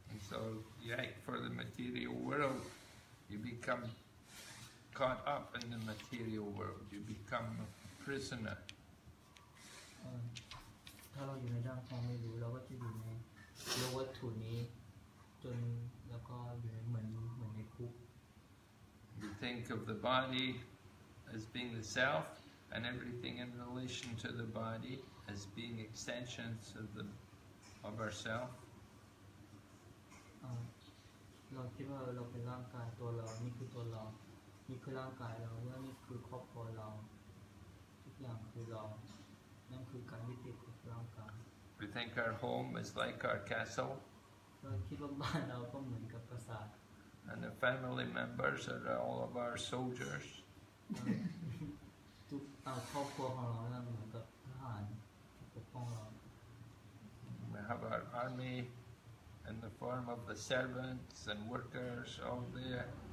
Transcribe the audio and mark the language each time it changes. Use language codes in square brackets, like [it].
[en] So yeah, for the material world, you become caught up in the material world. You become a prisoner. [th] ถ้าเราอยู่ในร่างทองไม่รู้เราก็จะอยู่ในโลกวัตถุนี้จนแล้วก็อยู่เหมือนในคุก [en] You think of the body as being the self, and everything in relation to the body as being extensions of the of ourself. [th] เราคิดว่าเราเป็นร่างกายตัวเรานี่คือตัวเรานี่คือร่างกายเราและนี่คือครอบครัวเราทุกอย่างคือเรานั่นคือการยึดติดของร่างกาย [en] We think our home is like our castle. [th] เราคิดว่าบ้านเราก็เหมือนกับปราสาท [en] And the family members are all of our soldiers. [th] ทุกครอบครัวของเรานั่นเหมือนกับทหารปกป้องเรา [en] We have our army. In the form of the servants and workers all there.